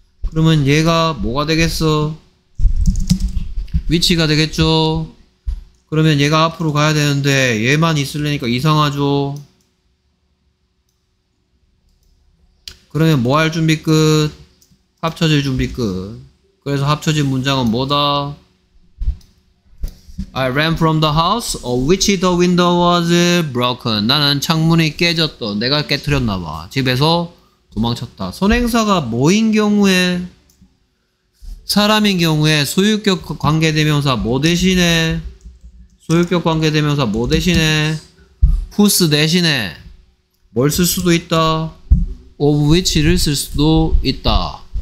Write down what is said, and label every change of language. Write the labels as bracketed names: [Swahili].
[Korean] 그러면 얘가 뭐가 되겠어? 위치가 되겠죠? 그러면 얘가 앞으로 가야 되는데 얘만 있으려니까 이상하죠? 그러면 뭐 할 준비 끝? 합쳐질 준비 끝. 그래서 합쳐진 문장은 뭐다? [English] I ran from the house of which the window was broken. [Korean] 나는 창문이 깨졌던, 내가 깨뜨렸나봐. 집에서 도망쳤다. 선행사가 뭐인 경우에? 사람인 경우에 소유격 관계대명사 뭐 대신에? 소유격 관계대명사 뭐 대신에? whose 대신에 뭘 쓸 수도 있다? of which를 쓸 수도 있다.